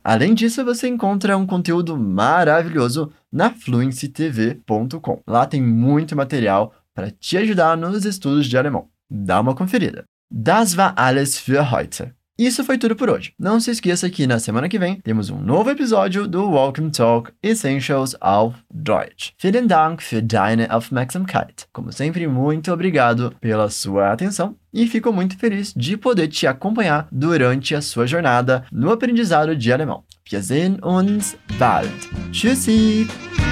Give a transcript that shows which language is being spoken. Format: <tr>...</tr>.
<pt>Além disso, você encontra um conteúdo maravilhoso na fluencytv.com. Lá tem muito material para te ajudar nos estudos de alemão. Dá uma conferida.</pt> <de>Das war alles für heute.</de> <pt>Isso foi tudo por hoje. Não se esqueça que na semana que vem temos um novo episódio do Welcome Talk Essentials auf Deutsch.</pt> <de>Vielen Dank für deine Aufmerksamkeit.</de> <pt>Como sempre, muito obrigado pela sua atenção e fico muito feliz de poder te acompanhar durante a sua jornada no aprendizado de alemão.</pt> <de>Wir sehen uns bald. Tschüssi!</de>